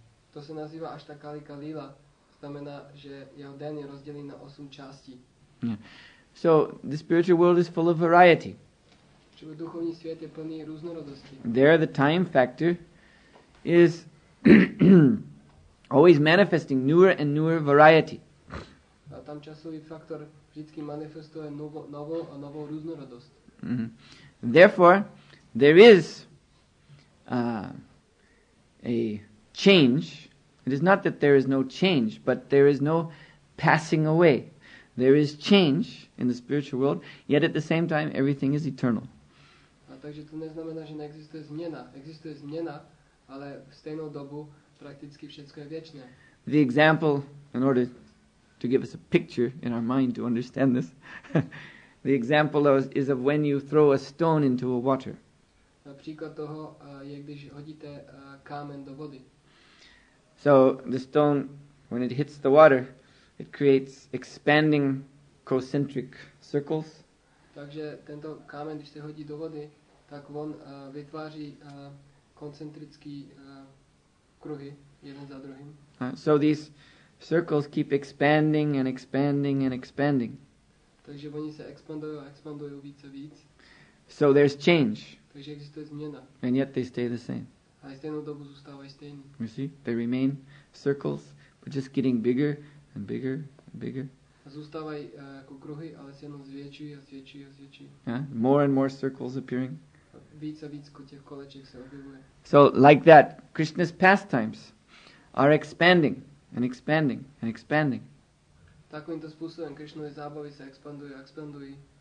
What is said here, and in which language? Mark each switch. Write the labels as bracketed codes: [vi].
[cs] To se nazývá Ashtakalika Lila, znamená, že jeho den je rozdělen na 8 částí. [en] So the spiritual world is full of variety. [cs] Čili duchovní svět je plný různorodosti. [en] There the time factor is always manifesting newer and newer variety. [cs] A tam časový faktor vždycky manifestuje novou a novou různorodost. Mm-hmm. [en] Therefore, there is a change. It is not that there is no change, but there is no passing away. There is change in the spiritual world, yet at the same time everything is eternal. [cs] A takže to neznamená, že neexistuje změna. Existuje změna, ale v stejnou dobu prakticky všechno je věčné. [en] The example, in order to give us a picture in our mind to understand this, the example is of when you throw a stone into a water. [cs] Například toho je, když hodíte kámen do vody. [en] So the stone, when it hits the water, it creates expanding concentric circles. [cs] Takže tento kámen, když se hodí do vody, tak on vytváří koncentrický kruhy jeden za druhým. [en] So these circles keep expanding and expanding and expanding. [cs] Takže oni se expandují a expandují víc a víc. [en] So there's change. [cs] Takže existuje změna. [en] And yet they stay the same. [cs] A stejnou dobu zůstávají stejný. [en] You see, they remain circles, but just getting bigger and bigger and bigger. [cs] A zůstávají jako kruhy, ale se jenom zvětšují a zvětšují a zvětšují. [en] Yeah, more and more circles appearing. [cs] Více a víc těch koleček se objevuje. [en] So like that, Krishna's pastimes are expanding and expanding and expanding. [cs] Takovýmto způsobem Krishnovy zábavy se expandují a expandují.